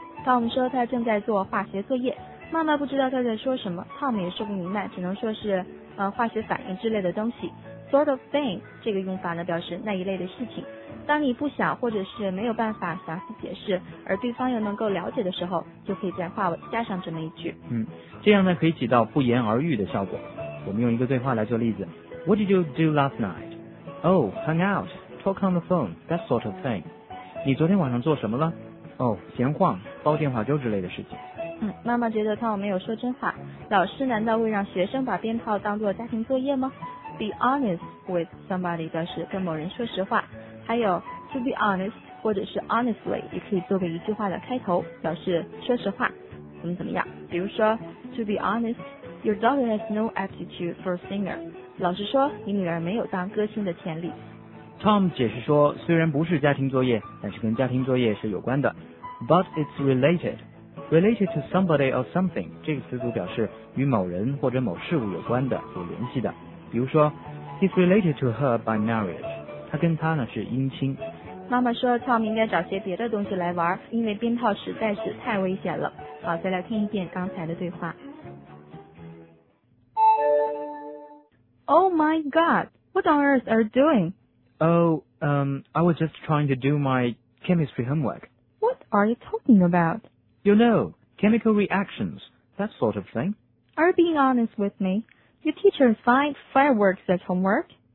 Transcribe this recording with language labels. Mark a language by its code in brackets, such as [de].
[zh] Tom 说他正在做化学作业，妈妈不知道他在说什么， Tom 也说不明白，只能说是化学反应之类的东西。 Sort of thing 这个用法呢，表示那一类的事情。当你不想或者是没有办法详细解释，而对方又能够了解的时候，就可以在话尾加上这么一句。这样呢可以起到不言而喻的效果。我们用一个对话来做例子。 [en] What did you do last night? Oh, hung out, talk on the phone, that sort of thing. [zh] 你昨天晚上做什么了？ Oh, 闲晃，煲电话粥之类的事情。妈妈觉得他没有说真话，老师难道会让学生把鞭炮当作家庭作业吗？ Be honest with somebody 表示跟某人说实话，还有 to be honest 或者是 honestly 也可以作为一句话的开头，表示说实话怎么怎么样。比如说 [en] to be honest your daughter has no aptitude for a singer， [zh] 老实说你女儿没有当歌星的潜力。 Tom 解释说虽然不是家庭作业，但是跟家庭作业是有关的。 [en] but it's related to somebody or something [zh] 这个词组表示与某人或者某事物有关的，有联系的。比如说 [en] he's related to her by marriage， [zh] 他跟他呢是姻亲。妈妈说 Tom 应该找些别的东西来玩，因为鞭炮实在是太危险了。好，再来听一遍刚才的对话。 [en] Oh my god, what on earth are you doing? Oh, I was just trying to do my chemistry homework. What are you talking about? You know, chemical reactions, that sort of thing. Are you being honest with me? Your teacher assigned fireworks as homework?